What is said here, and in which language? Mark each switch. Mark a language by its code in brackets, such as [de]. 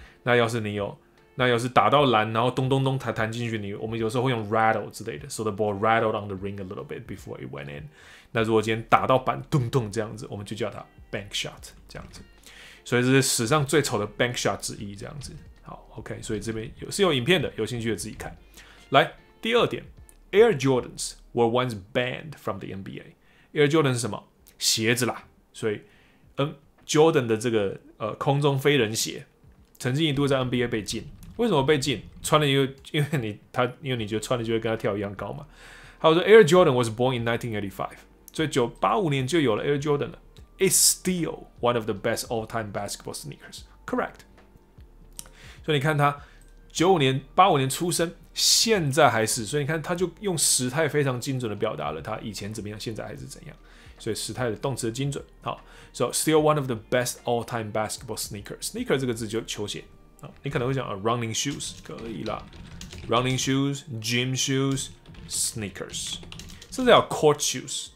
[zh] 那要是你有，那要是打到篮，然后咚咚咚弹进去，我们有时候会用 rattle 之类的 ， [en] so the ball rattled on the ring a little bit before it went in。 [zh] 那如果今天打到板咚咚这样子，我们就叫它 bank shot 这样子。所以这是史上最丑的 bank shot 之一，这样子。好 ，OK， 所以这边有是有影片的，有兴趣的自己看。来，第二点。 [en] Air Jordans were once banned from the NBA. [zh] Air Jordan 是什么？鞋子啦。所以，Jordan 的这个空中飞人鞋，曾经一度在 NBA 被禁。为什么被禁？穿了因为你觉得穿了就会跟他跳一样高嘛。他说 ， [en] Air Jordan was born in 1985， [zh] 所以1985年就有了 Air Jordan 了。 [en] It's still one of the best all-time basketball sneakers. Correct. [zh] 所以你看他1985年出生。现在还是，所以你看，他就用时态非常精准的表达了他以前怎么样，现在还是怎样。所以时态的动词的精准。 [en] 好 ，so still one of the best all-time basketball sneakers。 [zh] sneaker 这个字就球鞋。你可能会讲啊 ，running shoes 可以啦 ，running shoes、gym shoes、sneakers， 甚至有 court shoes。